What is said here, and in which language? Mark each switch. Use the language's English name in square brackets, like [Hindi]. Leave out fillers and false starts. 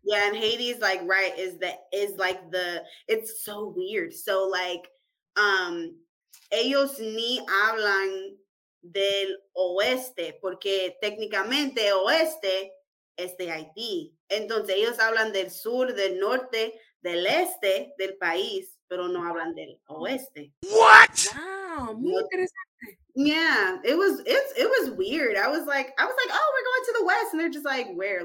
[English] Yeah, and Haiti is like right is it's so weird. So like [Spanish] ellos ni hablan del oeste porque técnicamente oeste es de Haití. Entonces ellos hablan del sur, del norte, del este del país, pero no hablan del oeste. [English] What? [Spanish] Wow, muy interesante. [English] Yeah, it was weird. I was like, oh, we're going to the west, and they're just like, where?